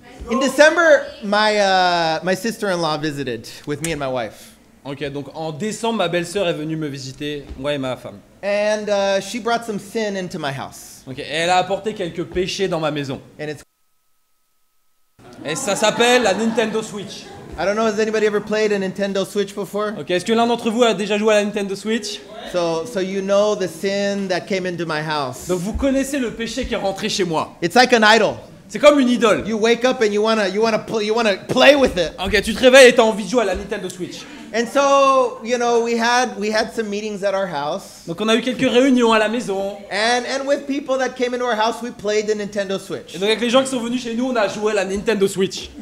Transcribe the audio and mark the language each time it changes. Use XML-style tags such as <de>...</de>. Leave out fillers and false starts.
<en>In December, my sister-in-law visited with me and my wife.</en> <fr>Ok, donc en décembre, ma belle-sœur est venue me visiter, moi et ma femme.</fr> <en>And she brought some sin into my house.</en> <fr>Ok, et elle a apporté quelques péchés dans ma maison.</fr> <en>And it's...</en> <fr>Et ça s'appelle la Nintendo Switch.</fr> <en>I don't know, has anybody ever played a Nintendo Switch before?</en> <fr>Ok, est-ce que l'un d'entre vous a déjà joué à la Nintendo Switch?</fr> <en>So you know the sin that came into my house.</en> <fr>Donc vous connaissez le péché qui est rentré chez moi.</fr> <en>It's like an idol.</en> <fr>C'est comme une idole.</fr> <en>You wake up and you wanna play with it.</en> <fr>Ok, tu te réveilles et t'as envie de jouer à la Nintendo Switch.</fr> <en>And so, you know, we had some meetings at our house.</en> <fr>Donc on a eu quelques réunions à la maison.</fr> <en>And with people that came into our house, we played the Nintendo Switch.</en> <fr>Et donc avec les gens qui sont venus chez nous, on a joué à la Nintendo Switch.</fr>